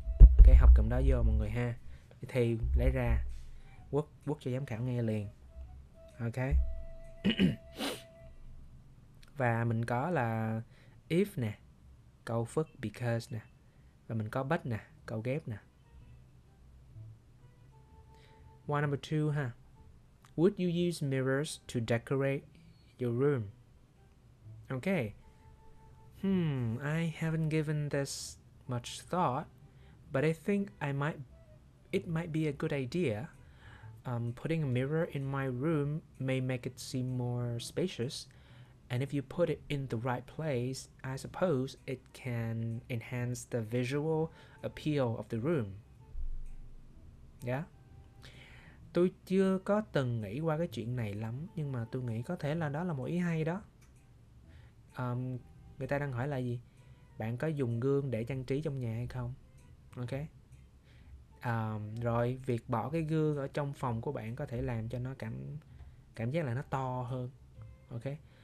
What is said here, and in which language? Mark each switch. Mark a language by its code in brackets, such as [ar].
[vi] Ok, học cầm đó vô mọi người ha. Thì lấy ra quốc cho giám khảo nghe liền. Ok. Và mình có là if nè, câu phức because nè. Và mình có but nè, câu ghép nè. [en] One number two ha. Would you use mirrors to decorate your room? Ok. I haven't given this much thought, but I think it might be a good idea. Putting a mirror in my room may make it seem more spacious, and if you put it in the right place, I suppose it can enhance the visual appeal of the room. Yeah? [vi] Tôi chưa có từng nghĩ qua cái chuyện này lắm, nhưng mà tôi nghĩ có thể là đó là một ý hay đó. Người ta đang hỏi là gì? Bạn có dùng gương để trang trí trong nhà hay không? Ok. Rồi việc bỏ cái gương ở trong phòng của bạn có thể làm cho nó cảm giác là nó to hơn. Ok.